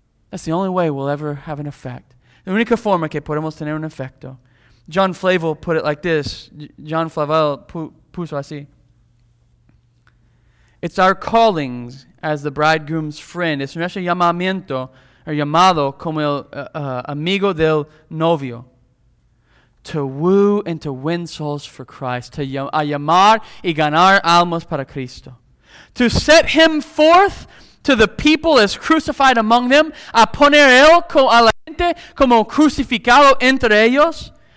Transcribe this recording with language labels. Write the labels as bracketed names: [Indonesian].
[English] That's the only way we'll ever have an effect. [Spanish] La única forma que podemos tener un efecto. [English] John Flavel put it like this. [Spanish] John Flavel puso así. [English] It's our callings as the bridegroom's friend. [Spanish] Es nuestro llamamiento, or llamado como el amigo del novio. [English] To woo and to win souls for Christ. [Spanish] A llamar y ganar almas para Cristo. [English] To set him forth to the people as crucified among them. [Spanish] A poner él a la gente como crucificado entre ellos.